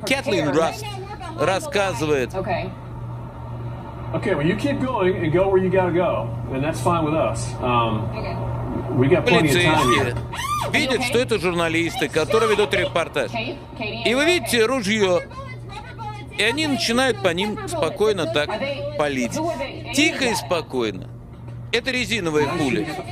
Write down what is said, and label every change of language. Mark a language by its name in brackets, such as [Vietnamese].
[Russian] Кэтлин Раст рассказывает. [English] Okay, well, you keep going and go where you gotta go, and that's fine with us. We got plenty of time. [Russian] Видят, что это журналисты, которые ведут репортаж. И вы видите ружье, и они начинают по ним спокойно так палить. Тихо и спокойно. Это резиновые пули.